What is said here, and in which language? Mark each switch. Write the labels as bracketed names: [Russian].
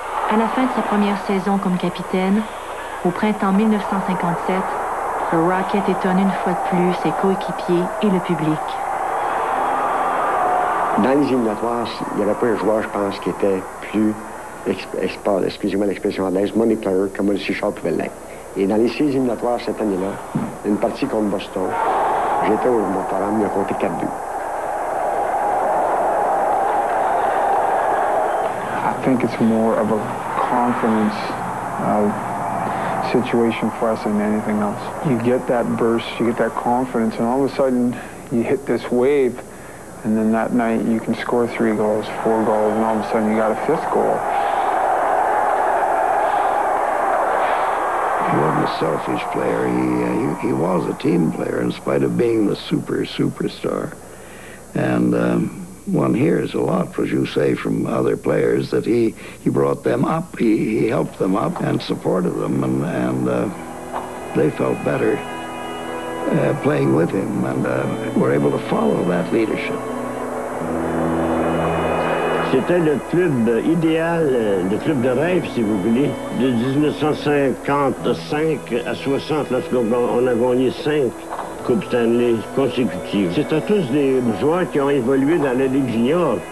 [French] À la fin de sa première saison comme capitaine, au printemps 1957, le Rocket étonne une fois de plus ses coéquipiers et le public. Dans les éliminatoires, il n'y avait pas un joueur, je pense, qui était plus, excusez-moi l'expression anglaise, moniteur que M. Charles pouvait l'être. Et dans les six éliminatoires cette année-là, une partie contre Boston, j'étais au Motorama, il a compté 4-2. [English] I think it's more of a confidence situation for us than anything else. You get that burst, you get that confidence, and all of a sudden you hit this wave, and then that night you can score 3 goals, 4 goals, and all of a sudden you got a 5th goal. Selfish player. He was a team player in spite of being the superstar. And one hears a lot, as you say, from other players that he brought them up. He helped them up and supported them, and they felt better playing with him and were able to follow that leadership. [French] C'était le club idéal, le club de rêve, si vous voulez, de 1955 à 60, lorsqu'on a gagné 5 Coupes Stanley consécutives. C'était tous des joueurs qui ont évolué dans la Ligue junior.